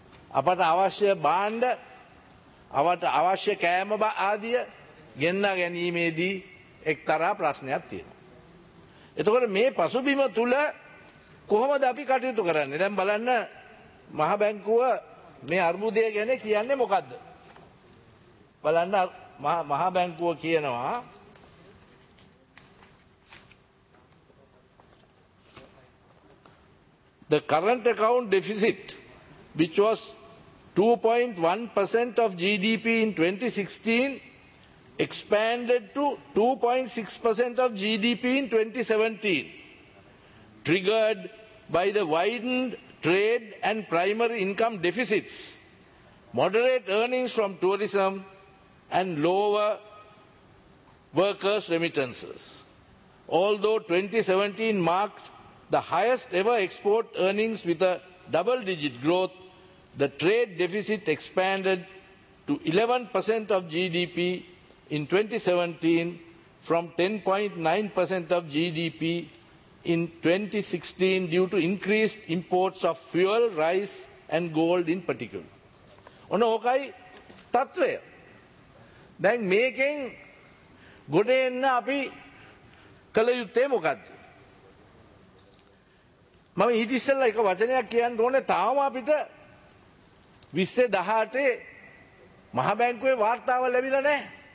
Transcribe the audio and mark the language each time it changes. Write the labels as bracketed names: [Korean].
[Sinhala] අපට අවශ්‍ය භාණ්ඩ, අපට අවශ්‍ය කෑම ආදිය ගෙන්නා ගැනීමේදී එක්තරා ප්‍රශ්නයක් තියෙනවා. එතකොට මේ පසුබිම තුල කොහොමද අපි කටයුතු කරන්නේ? දැන් බලන්න මහ බැංකුව මේ අර්බුදය ගැන කියන්නේ මොකද්ද බලන්න. මහ බැංකුව කියනවා [English] the current account deficit which was 2.1% of GDP in 2016 expanded to 2.6% of GDP in 2017, triggered by the widened trade and primary income deficits, moderate earnings from tourism, and lower workers' remittances. Although 2017 marked the highest ever export earnings with a double-digit growth, the trade deficit expanded to 11% of GDP in 2017 from 10.9% of GDP in 2016 due to increased imports of fuel, rice, and gold in particular. [Sinhala] ඔන්න ඕකයි තත්වය. දැන් මේකෙන් ගොඩ එන්න අපි කළ යුත්තේ මොකද්ද? මම ඊට ඉස්සෙල්ලා එක වචනයක් කියන්න ඕනේ. තාම අපිට 2018 මහ බැංකුවේ වාර්තාව ලැබිලා නැහැ.